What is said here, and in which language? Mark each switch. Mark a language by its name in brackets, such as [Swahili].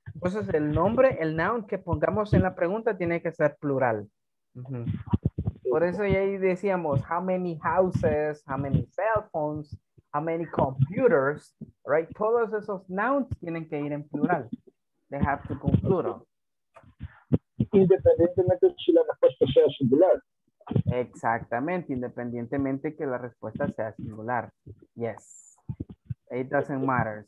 [Spanish] Entonces, el nombre, el noun que pongamos en la pregunta tiene que ser plural. Por eso ya ahí decíamos, [English] how many houses, how many cell phones, how many computers, [Spanish] right? Todos esos nouns tienen que ir en plural. [English] They have to come plural. [Spanish] Independientemente si la respuesta sea singular. Exactamente, independientemente que la respuesta sea singular. [English] Yes. It doesn't matter.